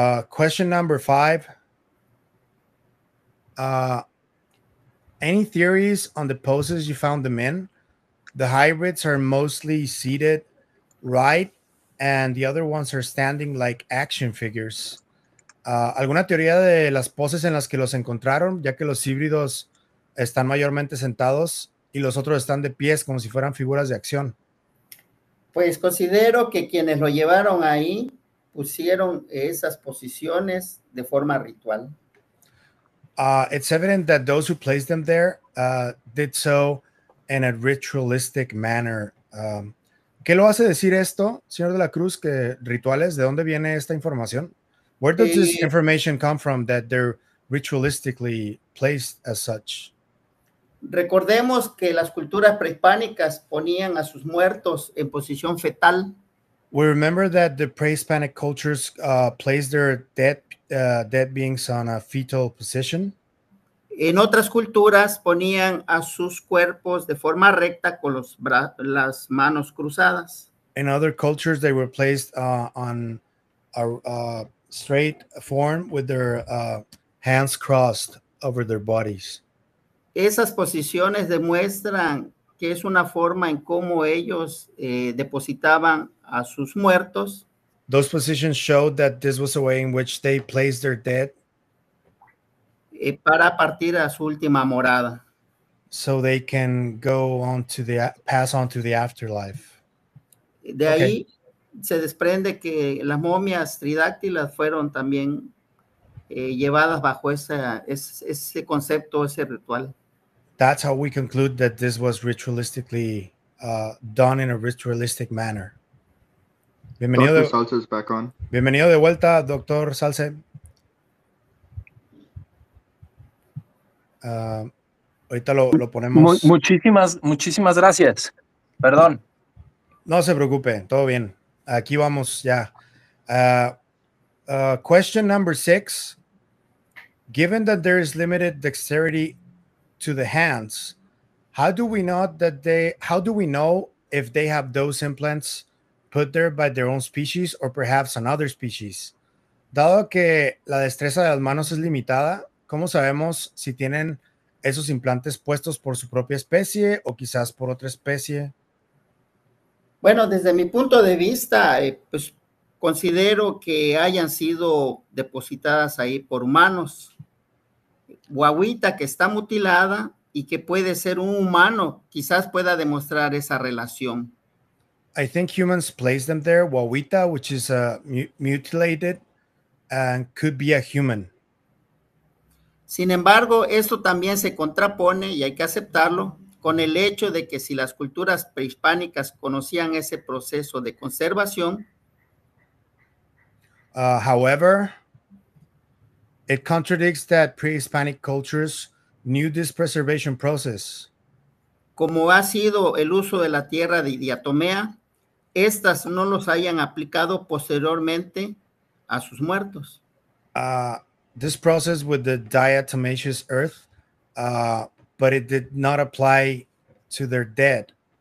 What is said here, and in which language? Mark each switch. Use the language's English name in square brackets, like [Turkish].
[English] Question number five. Any theories on the poses you found them in? The hybrids are mostly seated, right? And the other ones are standing like action figures. [Spanish] ¿Alguna teoría de las poses en las que los encontraron, ya que los híbridos están mayormente sentados y los otros están de pies como si fueran figuras de acción? Pues considero que quienes lo llevaron ahí pusieron esas posiciones de forma ritual. [English] It's evident that those who placed them there did so in a ritualistic manner. [Spanish] ¿Qué lo hace decir esto, señor de la Cruz, que rituales? ¿De dónde viene esta información? [English] Where does this information come from that they're ritualistically placed as such? [Spanish] Recordemos que las culturas prehispánicas ponían a sus muertos en posición fetal. [English] We remember that the pre-Hispanic cultures placed their dead beings on a fetal position. [Spanish] En otras culturas ponían a sus cuerpos de forma recta con los las manos cruzadas. [English] In other cultures, they were placed on a straight form with their hands crossed over their bodies. [Spanish] Esas posiciones demuestran que es una forma en cómo ellos depositaban a sus muertos. [English] Those positions showed that this was a way in which they placed their dead. [Spanish] Para partir a su última morada. [English] So they can go on to the pass on to the afterlife. [Spanish] De ahí se desprende que las momias tridáctilas fueron también llevadas bajo ese concepto, ese ritual. [English] That's how we conclude that this was ritualistically done in a ritualistic manner. [Spanish] Bienvenido. [English] Dr. Salce is back on. [Spanish] Bienvenido de vuelta, Dr. Salce. Ahorita lo ponemos. Muchísimas gracias. Perdón. No se preocupe, todo bien. Aquí vamos ya. [English] Question number 6. Given that there is limited dexterity to the hands, how do we know if they have those implants put there by their own species or perhaps another species? [Spanish] Dado que la destreza de las manos es limitada, ¿cómo sabemos si tienen esos implantes puestos por su propia especie o quizás por otra especie? Bueno, desde mi punto de vista, pues considero que hayan sido depositadas ahí por humanos. Guaguita que está mutilada y que puede ser un humano, quizás pueda demostrar esa relación. [English] I think humans placed them there. Guaguita, which is mutilated, and could be a human. [Spanish] Sin embargo, esto también se contrapone, y hay que aceptarlo, con el hecho de que si las culturas prehispánicas conocían ese proceso de conservación. [English] However, it contradicts that pre-Hispanic cultures knew this preservation process. [Spanish] Como ha sido el uso de la tierra de diatomea, estas no los hayan aplicado posteriormente a sus muertos. [English] This process with the diatomaceous earth, but it did not apply to their dead.